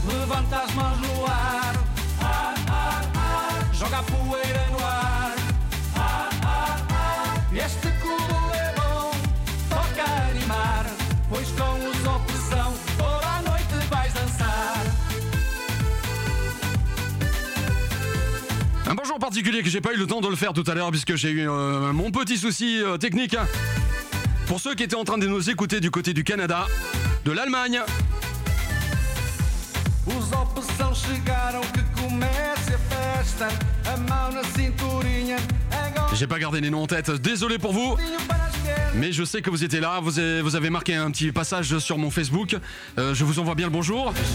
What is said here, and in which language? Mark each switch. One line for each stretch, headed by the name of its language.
Portuguese: Levanta as mãos no ar, ah, ah, ah. Joga a poeira no ar. Este clube é bom, toca animar, pois com os opção toda a noite vais dançar.
French: Un bonjour particulier que j'ai pas eu le temps de le faire tout à l'heure puisque j'ai eu mon petit souci technique. Pour ceux qui étaient en train de nous écouter du côté du Canada, de l'Allemagne.
Portuguese: Os opção chegaram, que comece a festa, a mão na cinturinha.
French: J'ai pas gardé les noms en tête, désolé pour vous. Mais je sais que vous étiez là, vous avez marqué un petit passage sur mon Facebook. Je vous envoie bien le bonjour.